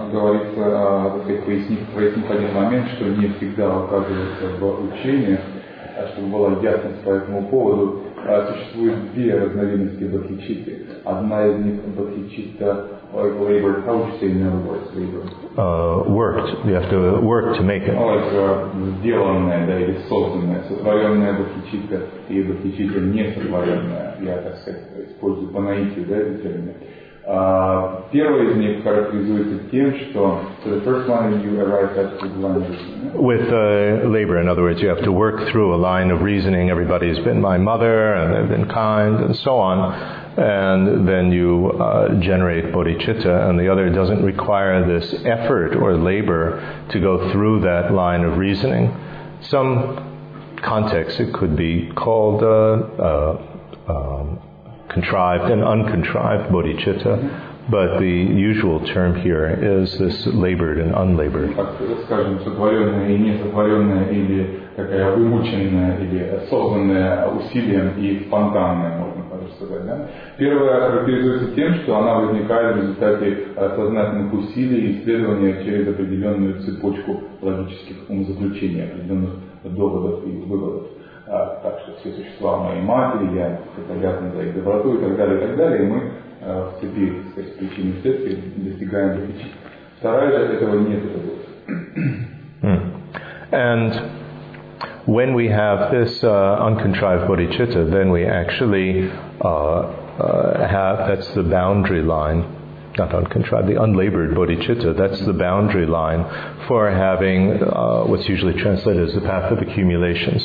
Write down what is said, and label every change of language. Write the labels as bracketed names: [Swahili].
[Russian] Говорится, пояснить один момент, что не всегда оказывается в учениях, а чтобы была ясность по этому поводу. Существует две разновидности бодхичитты. Одна из них бодхичитта labored. [English] How would you say in other words, labored? Worked. You have to work to make it. [Russian] Oh, это сделанная, да, или созданная, сотворенная бодхичитта и бодхичитта не сотворенная. Я, так сказать, использую по наитию, да, этот термин. Первая из них характеризуется тем, что [English] the first one you arrive at the line of reasoning. With labor, in other words, you have to work through a line of reasoning. Everybody's been my mother, and they've been kind, and so on. And then you generate bodhicitta, and the other doesn't require this effort or labor to go through that line of reasoning. Some context, it could be called contrived and uncontrived bodhicitta, but the usual term here is this labored and unlabored. [Russian] Скажем, сотворенное и не сотворенное, или такая вымученная, или осознанная усилием и спонтанная, можно так сказать. собой. Да? Первая характеризуется тем, что она возникает в результате сознательных усилий и исследования через определенную цепочку логических умозаключений, определенных доводов и выводов. Так что все существа моей матери, я обязан за их доброту и так далее, мы в цепи, так сказать, причин и следствий достигаем причин. Вторая же этого нет. [English] And when we have this uncontrived bodhicitta, then we actually have, that's the boundary line, not uncontrived, the unlabored bodhicitta, that's the boundary line for having what's usually translated as the path of accumulation.